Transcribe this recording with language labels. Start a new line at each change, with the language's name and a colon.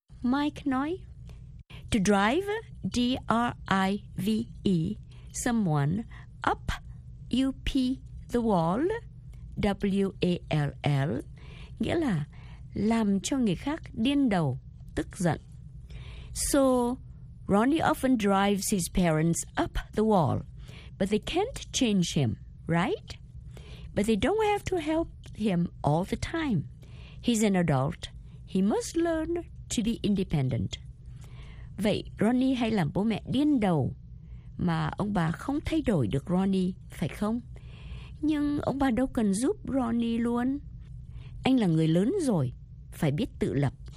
Vietnamese: Mike nói,
English: to drive, D-R-I-V-E, someone, up, U-P, the wall, W-A-L-L,
Vietnamese: nghĩa là làm cho người khác điên đầu, tức giận.
English: So, Ronnie often drives his parents up the wall, but they can't change him, right? But they don't have to help him all the time. He's an adult. He must learn to be independent.
Vietnamese: Vậy, Ronnie hay làm bố mẹ điên đầu, mà ông bà không thay đổi được Ronnie, phải không? Nhưng ông bà đâu cần giúp Ronnie luôn. Anh là người lớn rồi, phải biết tự lập.